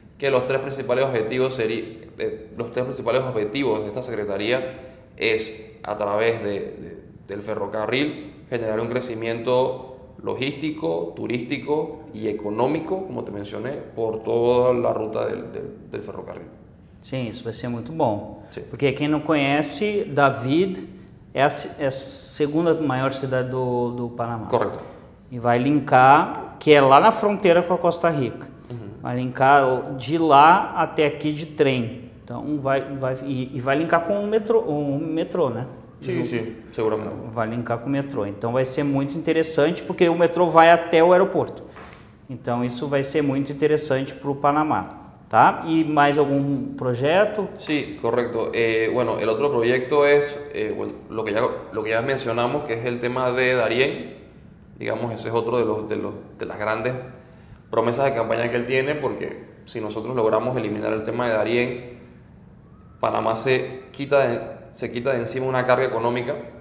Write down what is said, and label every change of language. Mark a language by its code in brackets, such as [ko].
[es] Que los tres principales objetivos serían... los tres principales objetivos de esta secretaría es, a través del ferrocarril, generar un crecimiento logístico, turístico y económico, como te mencioné, por toda la ruta del ferrocarril. Sí, eso va a ser muy bueno. Sí. Porque quien no conoce, David es la segunda mayor ciudad del Panamá. Correcto. Y va a linkar, que es [pt] lá na [es] frontera con Costa Rica. [pt] Vai linkar de lá até aqui de trem. Então vai linkar com o metrô, né? Sim, seguramente. Vai linkar com o metrô. Então vai ser muito interessante porque o metrô vai até o aeroporto. Então isso vai ser muito interessante para o Panamá, tá? E mais algum projeto? Sim, correto. [es] Bueno, el otro proyecto es lo que ya mencionamos, que es el tema de Darién. Digamos, ese es otro de las grandes promesas de campaña que él tiene, porque si nosotros logramos eliminar el tema de Darién, Panamá se quita de encima una carga económica.